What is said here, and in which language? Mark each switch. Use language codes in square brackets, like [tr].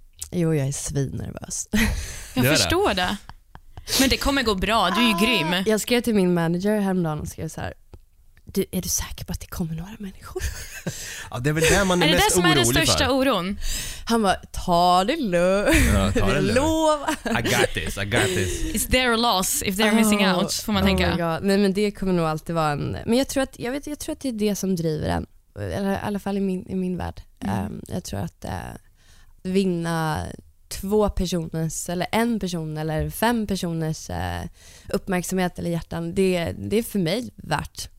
[sv] Jo, jag är svinnervös. Jag förstår det. Men det kommer gå bra, du är ju grym. Jag skrev till min manager häromdagen och skrev så här: du, är du säker på att det kommer några människor? Ja, det är väl där man är mest orolig för. Är det det som är den största oron? Han bara, ta det lugnt. Ja, lov. [en] I got this. It's their loss if they're missing out, [sv] får man tänka. Oh, nej, men det kommer nog alltid vara en... Men jag tror att det är det som driver en. Eller, i alla fall i min värld. Mm. Jag tror att vinna 2 personers eller 1 person eller 5 personers uppmärksamhet eller hjärtan, det är för mig värt.